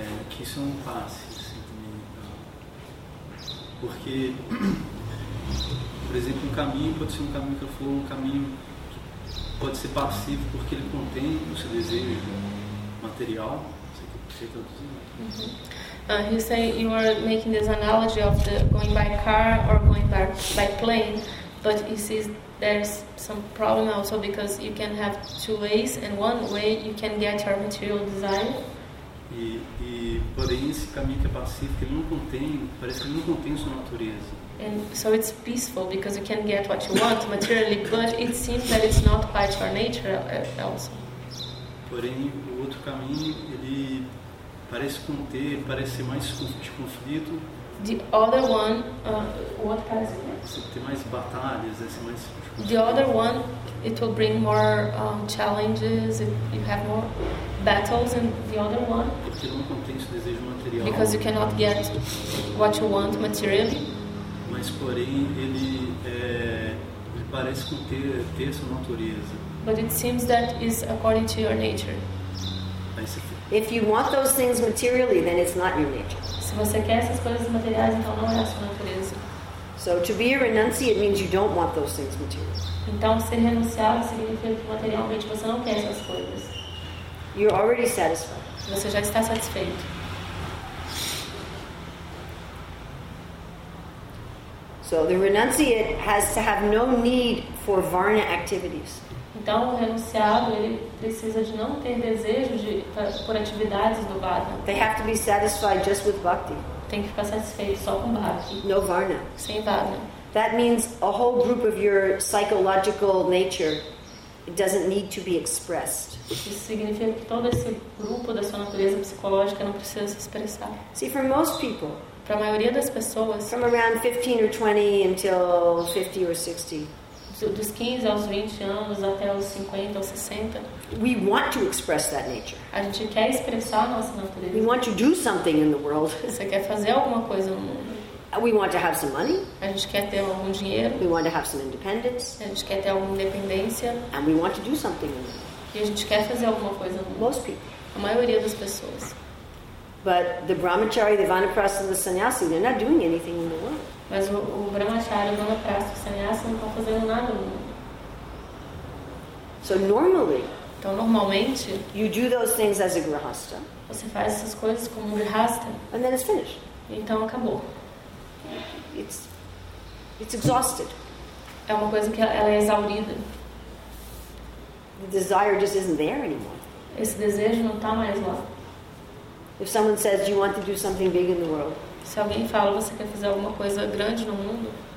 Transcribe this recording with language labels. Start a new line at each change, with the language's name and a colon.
Portuguese: Que isso é um passe, assim, também, porque, por exemplo, um caminho pode ser um caminho que eu for, um caminho que pode ser passivo porque ele contém o seu desejo material, sei que você está dizendo.
English: You say you are making this analogy of the going by car or going by plane, but you see there's some problem also because you can have two ways and one way you can get your material desire.
Portuguese: E porém esse caminho que é pacífico, ele não contém, parece que ele não contém sua natureza.
English: And so it's peaceful because you can get what you want materially, but it seems that it's not quite your nature also.
Portuguese: Porém o outro caminho, ele parece conter, parece mais de conflito.
English: The other one, what parece?
Portuguese: Tem mais batalhas, assim, mais.
English: The other one, it will bring more challenges. You have more battles in the other one.
Portuguese: Porque não contém seu desejo material.
English: Because you cannot get what you want materially.
Portuguese: Mas porém ele ele parece ter sua natureza.
English: But it seems that is according to your nature. If you want those things materially, then it's not your nature.
Portuguese: Se você quer essas coisas materiais, então não é a sua natureza.
English: So to be a renunciate means you don't want those things materially.
Portuguese: Então ser renunciado significa que materialmente você não quer essas coisas.
English: You're already satisfied.
Portuguese: Você já está satisfeito.
English: So the renunciate has to have no need for varna activities.
Portuguese: Então o renunciado, ele precisa de não ter desejo por atividades do varna.
English: They have to be satisfied just with bhakti.
Portuguese: Tem que ficar satisfeito só com bhakti.
English: No varna.
Portuguese: Sem varna.
English: That means a whole group of your psychological nature doesn't need to be expressed.
Portuguese: Isso significa que todo esse grupo da sua natureza psicológica não precisa se expressar.
English: See, for most people,
Portuguese: para a maioria das pessoas,
English: from around 15 or 20 until 50 or 60,
Portuguese: dos 15 aos 20 anos até os 50 ou 60,
English: we want to express that nature.
Portuguese: A gente quer expressar a nossa natureza.
English: We want to do something in the world.
Portuguese: Você quer fazer alguma coisa no mundo.
English: We want to have some money.
Portuguese: A gente quer ter algum dinheiro.
English: We want to have some independence.
Portuguese: A gente quer ter alguma independência.
English: And we want to do something.
Portuguese: E a gente quer fazer alguma coisa.
English: Most people.
Portuguese: A maioria das pessoas.
English: But the brahmachari, the vanaprastha, the sannyasi, they're not doing anything in the world.
Portuguese: Mas o brahmachari, o vanaprastha, o sannyasi não estão fazendo nada no mundo.
English: So normally.
Portuguese: Então normalmente.
English: You do those things as a grihastha.
Portuguese: Você faz essas coisas como um grihastha.
English: And then it's finished.
Portuguese: Então acabou.
English: It's exhausted.
Portuguese: É uma coisa que ela é exaurida.
English: The desire just isn't there anymore.
Portuguese: Esse desejo não está mais lá.
English: If someone says you want to do something big in the world.
Portuguese: Se alguém fala você quer fazer alguma coisa grande no mundo.